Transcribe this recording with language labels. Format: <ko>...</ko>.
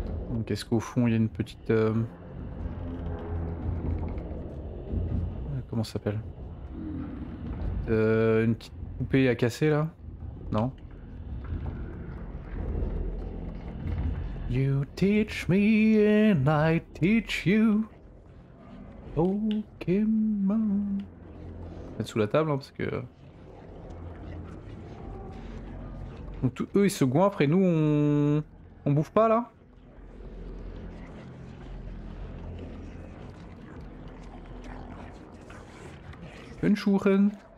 <fr>Donc est-ce qu'au fond il y a une petite comment ça s'appelle? Une petite poupée à casser là? Non.</fr> <en>You teach me and I teach you Pokémon.</en> <fr>Mettre sous la table hein, parce que. Donc tous eux ils se goinfrent et nous on bouffe pas là? Une chouren.</fr>